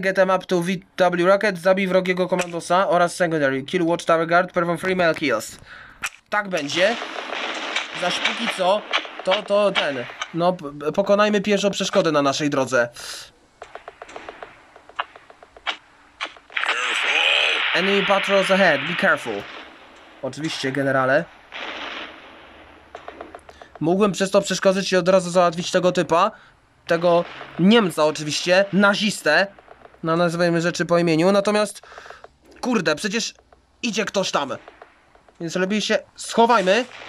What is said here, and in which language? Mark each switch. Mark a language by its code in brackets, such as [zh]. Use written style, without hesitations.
[en] Get him up to VW Rocket. [pl] Zabij wrogiego komandosa oraz secondary. [en] Kill Watchtower Guard. Perform 3 male kills. [pl] Tak będzie. Zaś póki co, to ten. No, pokonajmy pierwszą przeszkodę na naszej drodze. [en] Enemy patrols ahead, be careful. [pl] Oczywiście, generale. Mógłbym przez to przeszkodzić i od razu załatwić tego typa. Tego Niemca oczywiście, nazistę. No, nazywajmy rzeczy po imieniu, natomiast... Kurde, przecież idzie ktoś tam. Więc lepiej się schowajmy.